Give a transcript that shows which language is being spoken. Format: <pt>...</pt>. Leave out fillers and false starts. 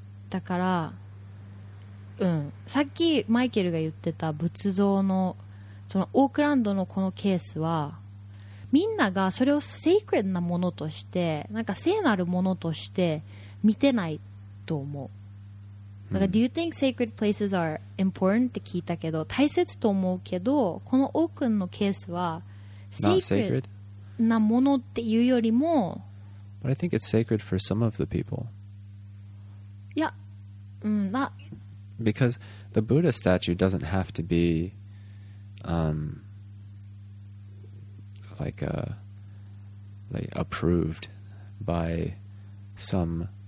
<ja>だから、さっきマイケルが言ってた仏像のそのオークランドのこのケースは、みんながそれをセイクレッドなものとして、なんか聖なるものとして見てないと思う。なんか、</ja> <en>Do you think sacred places are important?</en> <ja>って聞いたけど、大切と思うけど、このオークンのケースは、</ja> <en>sacred</en> <ja>なものっていうよりも、</ja> <en>But I think it's sacred for some of the people.</en> <ja>いや、</ja> <en>not because the Buddha statue doesn't have to be, like approved by some.</en>